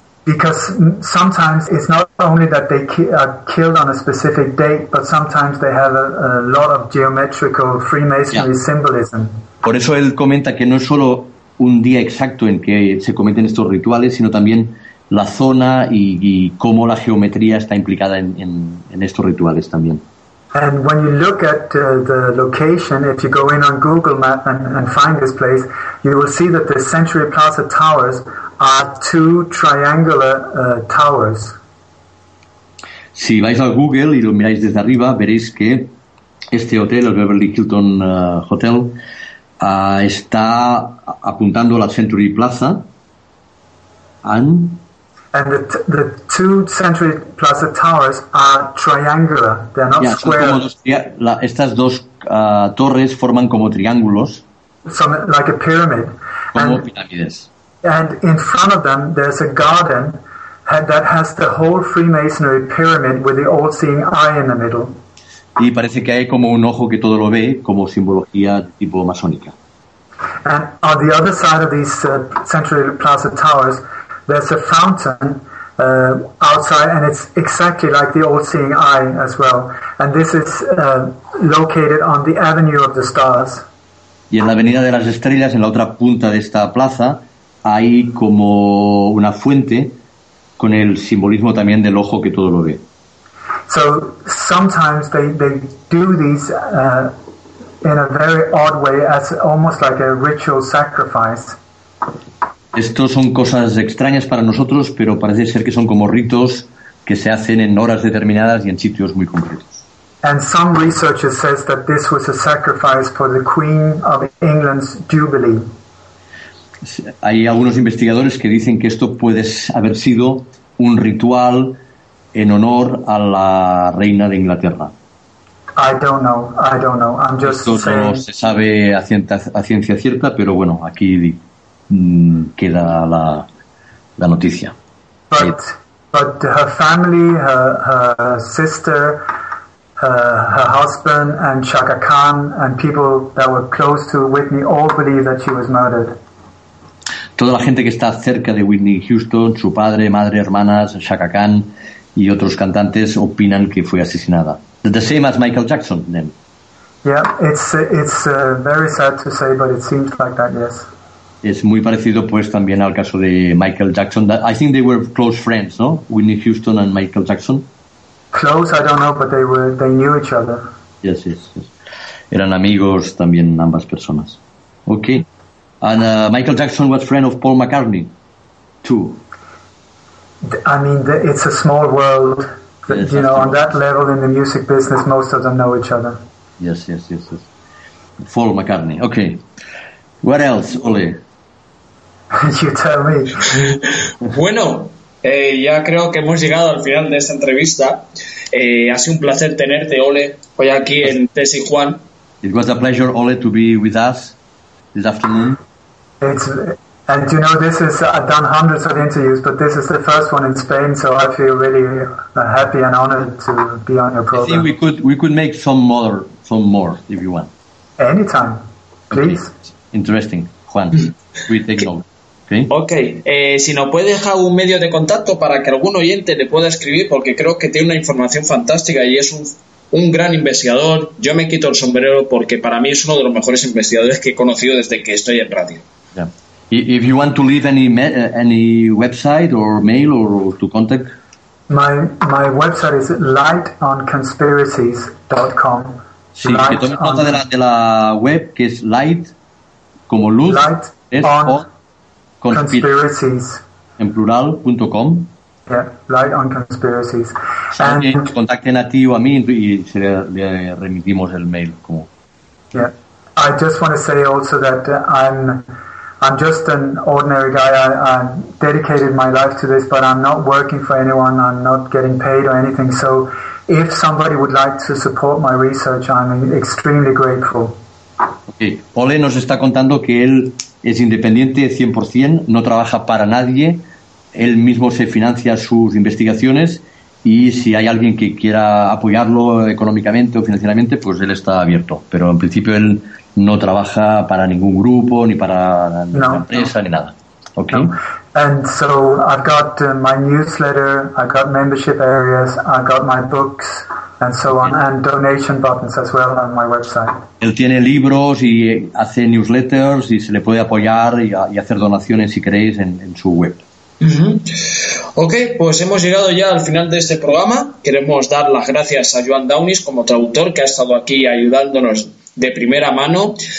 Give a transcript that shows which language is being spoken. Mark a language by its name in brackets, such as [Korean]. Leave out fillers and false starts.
[English] Because sometimes it's not only that they are killed on a specific date, but sometimes they have a lot of geometrical Freemasonry symbolism. [Spanish] Por eso él comenta que no es solo un día exacto en que se cometen estos rituales, sino también la zona y cómo la geometría está implicada en estos rituales también. [English] And when you look at the location, if you go in on Google Map and find this place, you will see that the Century Plaza Towers are two triangular towers. [Spanish] Si vais a Google y lo miráis desde arriba, veréis que este hotel, el Beverly Hilton Hotel, está apuntando a la Century Plaza. [English] And the two Century Plaza towers are triangular. They're not square. [Spanish] Estas dos torres forman como triángulos. [English] Like a pyramid. [Spanish] Como pirámides. [English] And in front of them, there's a garden that has the whole Freemasonry pyramid with the all-seeing eye in the middle. [Spanish] Y parece que hay como un ojo que todo lo ve, como simbología tipo masónica. [English] And on the other side of these Century Plaza towers, there's a fountain outside, and it's exactly like the all-seeing eye as well. And this is located on the Avenue of the Stars. [Spanish] Y en la Avenida de las Estrellas, en la otra punta de esta plaza, hay como una fuente con el simbolismo también del ojo que todo lo ve. [English] So sometimes they do these in a very odd way, as almost like a ritual sacrifice. [Spanish] Estos son cosas extrañas para nosotros, pero parece ser que son como ritos que se hacen en horas determinadas y en sitios muy concretos. [English] And some researchers says that this was a sacrifice for the Queen of England's Jubilee. [Spanish] Hay algunos investigadores que dicen que esto puede haber sido un ritual en honor a la reina de Inglaterra. [English] I don't know. I'm just [Spanish] esto [English] saying. [Spanish] No se sabe a ciencia cierta, pero bueno, aquí queda la noticia. [English] But her family, her sister, her husband and Chaka Khan and people that were close to Whitney all believe that she was murdered. [Spanish] Toda la gente que está cerca de Whitney Houston, su padre, madre, hermanas, Chaka Khan y otros cantantes opinan que fue asesinada. [English] The same as Michael Jackson, then. Yeah, it's very sad to say, but it seems like that, yes. [Spanish] Es muy parecido, pues, también al caso de Michael Jackson. [English] I think they were close friends, no? Whitney Houston and Michael Jackson. Close, I don't know, but they knew each other. [Spanish] Yes. Eran amigos también ambas personas. Okay. [English] And Michael Jackson was friend of Paul McCartney, too. I mean, it's a small world. Yes, you know, true. On that level in the music business, most of them know each other. Yes. Paul McCartney, okay. What else, Ole? You tell me. [Spanish] Bueno, ya creo que hemos llegado al final de esta entrevista. Ha sido un placer tenerte, Ole, hoy aquí en Tesi Juan. [English] It was a pleasure, Ole, to be with us this afternoon. And you know, this is, I've done hundreds of interviews, but this is the first one in Spain, so I feel really happy and honored to be on your program. I think we could make some more, if you want. Anytime, please. Okay. Interesting, Juan. We take note. [Spanish] Okay, si nos puede dejar un medio de contacto para que algún oyente le pueda escribir, porque creo que tiene una información fantástica y es un gran investigador. Yo me quito el sombrero porque para mí es uno de los mejores investigadores que he conocido desde que estoy en radio. [English] Yeah. If you want to leave any website or mail or to contact. My website is lightonconspiracies.com. [Spanish] Sí, light que tome nota de la web, que es light como luz. [English] Light es on conspiracies. [Spanish] En plural.com. [English] Yeah, light on conspiracies. [Spanish] Si and contacten a ti o a mí y se le remitimos el mail. Como. [English] Yeah, I just want to say also that I'm just an ordinary guy. I dedicated my life to this, but I'm not working for anyone. I'm not getting paid or anything. So if somebody would like to support my research, I'm extremely grateful. Okay. [Spanish] Ole nos está contando que él es independiente 100%, no trabaja para nadie, él mismo se financia sus investigaciones y si hay alguien que quiera apoyarlo económicamente o financieramente, pues él está abierto. Pero en principio él no trabaja para ningún grupo, ni para ninguna empresa, ni nada. [English] Okay. No. And so I've got my newsletter, I've got membership areas, I've got my books and so on, and donation buttons as well on my website. [Spanish] Él tiene libros y hace newsletters y se le puede apoyar y hacer donaciones si queréis en su web. Mm-hmm. Okay, pues hemos llegado ya al final de este programa. Queremos dar las gracias a Joan Downis como traductor que ha estado aquí ayudándonos de primera mano.